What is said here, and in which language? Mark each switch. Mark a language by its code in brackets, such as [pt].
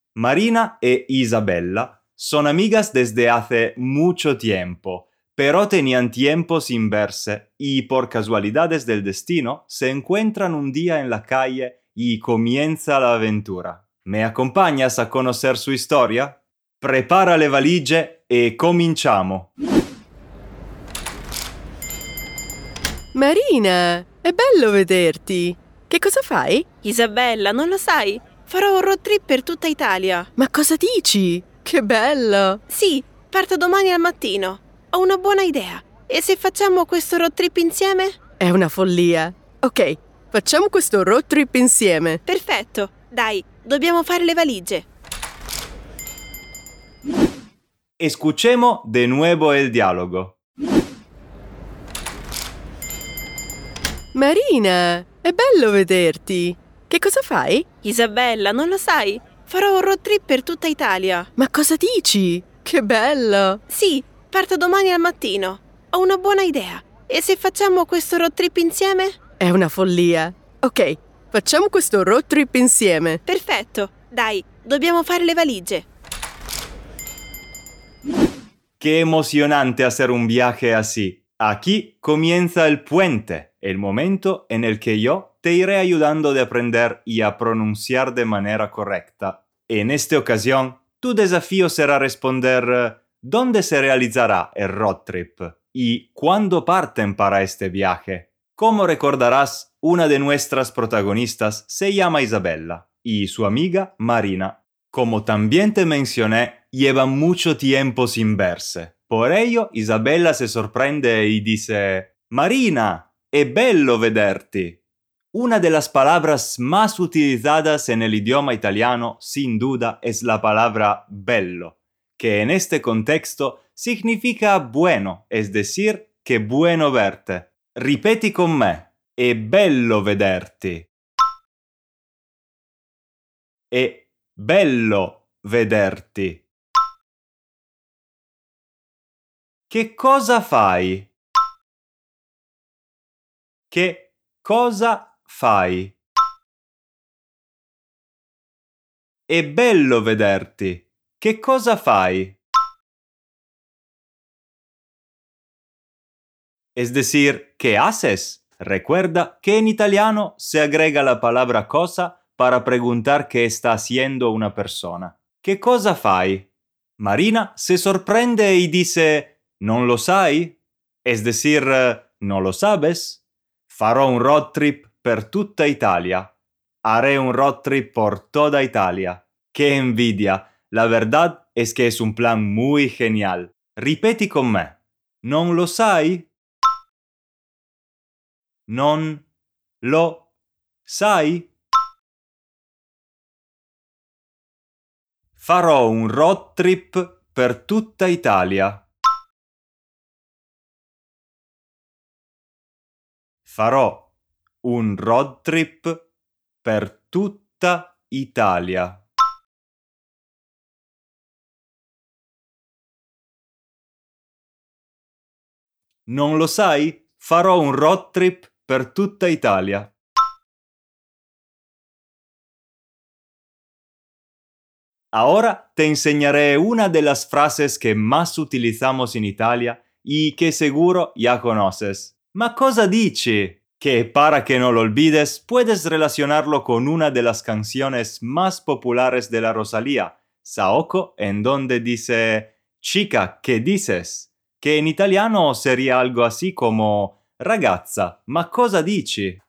[es] Marina e Isabella son amigas desde hace mucho tiempo, pero tenían tiempo sin verse y por casualidades del destino se encuentran un día en la calle y comienza la aventura. ¿Me acompañas a conocer su historia? [it] Prepara le valigie e cominciamo! Marina, è bello vederti! Che cosa fai? Isabella, non lo sai? Farò un road trip per tutta Italia! Ma cosa dici? Che bello! Sì, parto domani al mattino! Ho una buona idea. E se facciamo questo road trip insieme? È una follia. Ok, facciamo questo road trip insieme. Perfetto. Dai, dobbiamo fare le valigie. [es] Escuchemo de nuevo el diálogo. [it] Marina, è bello vederti. Che cosa fai? Isabella, non lo sai? Farò un road trip per tutta Italia. Ma cosa dici? Che bello. Sì. Parto domani al mattino. Ho una buona idea. E se facciamo questo road trip insieme? È una follia. Ok, facciamo questo road trip insieme. Perfetto. Dai, dobbiamo fare le valigie. Che emozionante [es] hacer un viaje así. Aquí comienza el puente, el momento en el que yo te iré ayudando de aprender y a pronunciar de manera correcta. En esta ocasión, tu desafío será responder... ¿Dónde se realizará el road trip? ¿Y cuándo parten para este viaje? Como recordarás, una de nuestras protagonistas se llama Isabella y su amiga Marina. Como también te mencioné, lleva mucho tiempo sin verse. Por ello, Isabella se sorprende y dice [it] «Marina, è bello vederti». [es] Una de las palabras más utilizadas en el idioma italiano, sin duda, es la palabra «bello», que en este contexto significa bueno, es decir, que bueno verte. [it] Ripeti con me, è bello vederti. È bello vederti. Che cosa fai? Che cosa fai? È bello vederti. Che cosa fai? [es] Es decir, ¿qué haces? Recuerda que en italiano se agrega la palabra cosa para preguntar qué está haciendo una persona. ¿Qué cosa fai? Marina se sorprende y dice, [it] ¿non lo sai? [es] Es decir, ¿no lo sabes? [it] Farò un road trip per tutta Italia. [es] Haré un road trip por toda Italia. ¡Qué envidia! La verdad es que es un plan muy genial. [it] Ripeti con me. ¿Non lo sai? ¿Non lo sai? Farò un road trip per tutta Italia. Farò un road trip per tutta Italia. Non lo sai? Farò un road trip per tutta Italia. [es] Ahora te enseñaré una de las frases que más utilizamos en Italia y que seguro ya conoces. [it] ¿Ma cosa dici? [es] Que para que no lo olvides, puedes relacionarlo con una de las canciones más populares de la Rosalía, Saoko, en donde dice «Chica, ¿qué dices?», que en italiano sería algo así como [it] «Ragazza, ¿ma cosa dici?».